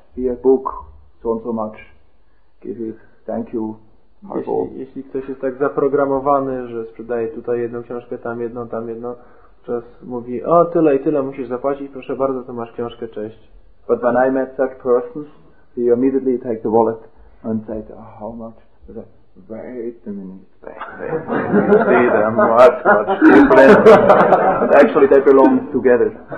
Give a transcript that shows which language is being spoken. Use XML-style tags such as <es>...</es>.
<en>Here, book, so and so much, give it, thank you.</en> <pl>Jeśli ktoś jest tak zaprogramowany, że sprzedaje tutaj jedną książkę, tam jedną, czas mówi, o, tyle i tyle musisz zapłacić, proszę bardzo, to masz książkę, cześć.</pl> <en>But when I met such persons, he immediately take the wallet and say, oh, how much? I said, wait a minute, see, they're much, much different. But actually, they belong together.</en>